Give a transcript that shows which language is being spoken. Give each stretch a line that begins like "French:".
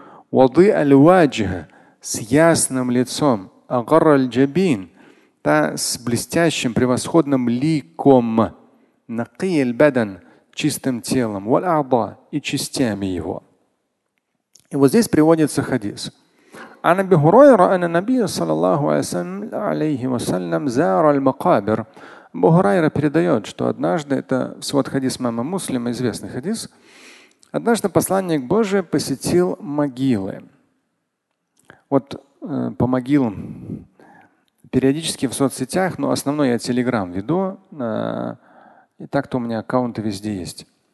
Russian: Воды
Arabic: аль-ваджха,
Russian: с ясным лицом,
Arabic: агар аль-джабин,
Russian: да, с блестящим, превосходным ликом,
Arabic: накъи аль-бадан,
Russian: чистым телом,
Arabic: валь-а'дха,
Russian: и частями его. И вот здесь приводится хадис.
Arabic: عن أبي هريرة أن النبي صلى الله عليه وسلم زار المقابر.
Russian: أبو هريرة передает, что однажды, это свод хадис мама Муслима, известный хадис, однажды посланник Божий посетил могилы. Вот по могилам периодически в соцсетях, но основной я Телеграм веду, и так-то у меня аккаунты везде есть.